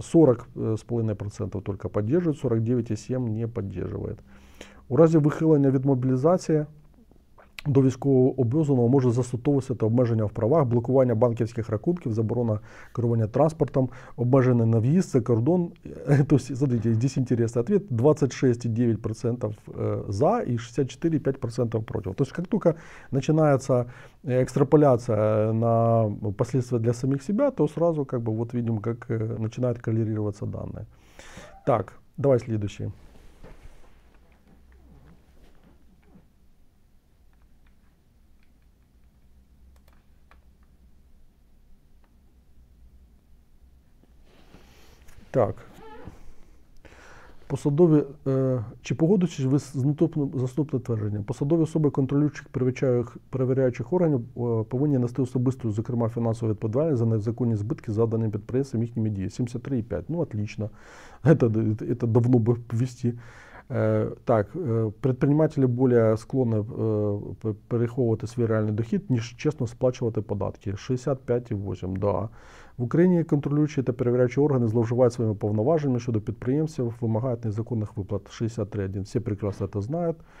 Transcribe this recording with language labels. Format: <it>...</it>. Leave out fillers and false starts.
<uk>40,5% тільки підтримують, 49,7% не підтримують. У разі вихилення від мобілізації до військового обов'язаного може застосовуватися та обмеження в правах, блокування банківських рахунків, заборона керування транспортом, обмеження на в'їзд за кордон.</uk> <ru>Тобто, смотрите, здесь интересный ответ.</ru> <uk>26,9% за і 64,5% проти. Тобто, як тільки починається екстраполяція на</uk> <ru>последствия для самих себе, то сразу как бы, вот, видим, как начинают коррелироваться данные. Так, давай следующий.</ru> <uk>Так, посадові, чи погодитесь ви з наступним твердженням? Посадові особи контролюючих, перевіряючих органів повинні нести особисту, зокрема, фінансову відповідальність за незаконні збитки, завдані підприємствам їхніми діями. 73,5.</uk> <ru>Ну, отлично.</ru> <uk>Це давно би ввести.</uk> <ru>Так, предприниматели более склонны переховывать свой реальный доход,</ru> <uk>ніж</uk> <ru>честно сплачивать податки. 65,8, да. В Украине контролюющие и проверяющие органы зловживают своими</ru> <uk>повноваженнями щодо підприємців, вимагають незаконних виплат.</uk> <ru>63,1, все прекрасно это знают.</ru>